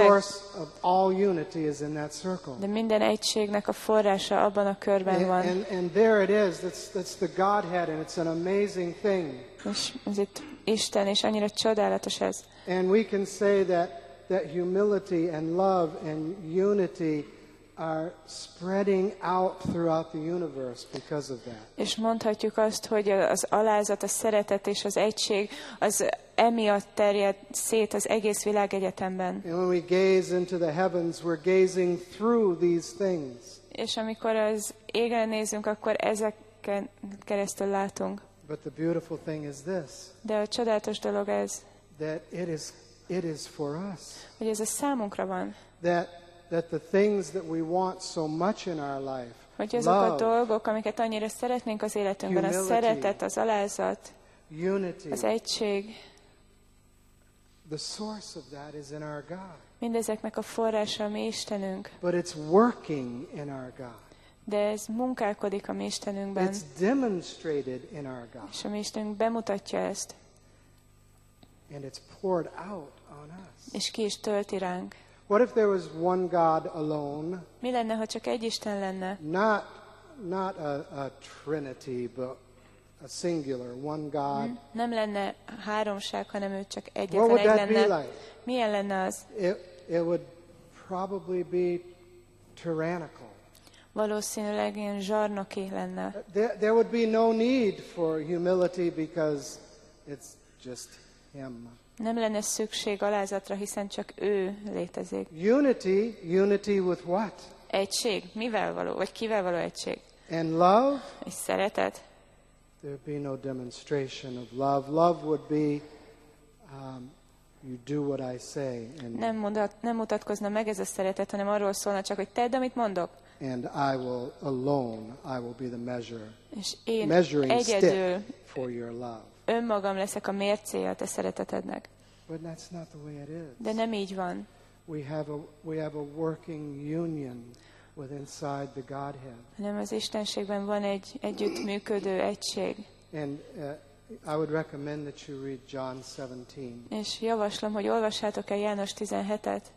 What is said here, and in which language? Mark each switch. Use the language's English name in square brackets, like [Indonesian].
[English] The source of all unity is in that circle. [Hungarian] De minden egységnek a forrása abban a körben van. [English] And there it is. That's the Godhead, and it's an amazing thing. [Hungarian] És ez itt Isten, és annyira csodálatos ez. [English] And we can say that humility and love and unity are spreading out throughout the universe because of that. [Hungarian] És mondhatjuk azt, hogy az alázat, a szeretet és az egység az emiatt terjed szét az egész világegyetemben. [English] And when we gaze into the heavens, we're gazing through these things. [Hungarian] És amikor az égre nézünk, akkor ezeken keresztül látunk. [English] But the beautiful thing is this. [Hungarian] De a csodálatos dolog ez. [English] That it is for us. [Hungarian] Hogy ez a számunkra van. [English] That the things that we want so much in our life, [Hungarian] hogy azok a dolgok, amiket annyira szeretnénk az életünkben, [English] humility, [Hungarian] a szeretet, az alázat, [English] unity, [Hungarian] az egység, [English] the source of that is in our God. [Hungarian] Mindezeknek a forrása a mi Istenünk. [English] But it's working in our God. [Hungarian] De ez munkálkodik a mi Istenünkben. [English] It's demonstrated in our God. [Hungarian] És a mi Istenünk bemutatja ezt. [English] And it's poured out on us. [Hungarian] És ki is tölti ránk. [English] What if there was one God alone? [Hungarian] Mi lenne, ha csak egy Isten lenne? [English] Not a Trinity, but a singular one God. [Hungarian] Nem lenne háromság, hanem ő csak egyetlen egy lenne. [English] What would that be like? [Hungarian] Milyen lenne az? [English] It would probably be tyrannical. [Hungarian] Valószínűleg ilyen zsarnoki lenne. [English] There would be no need for humility because it's just him. [Hungarian] Nem lenne szükség alázatra, hiszen csak ő létezik. [English] Unity with what? [Hungarian] Egység. Mivel való? Vagy kivel való egység? [English] And love? [Hungarian] És szeretet? [English] There'd be no demonstration of love. Love would be You do what I say. And [Hungarian] nem mutatkozna meg ez a szeretet, hanem arról szólna csak, hogy tedd, amit mondok. [English] And I will alone, I will be the measure. [Hungarian] És én [English] measuring [Hungarian] egyedül [English] stick for your love. [Hungarian] Önmagam leszek a mércéje a te szeretetednek. [English] But that's not the way it is. [Hungarian] De nem így van. [English] We have a working union with inside the Godhead. [Hungarian] Nem az Istenségben van egy együttműködő egység. [English] And I would recommend that you read John 17. [Hungarian] És javaslom, hogy olvassátok el János 17-et.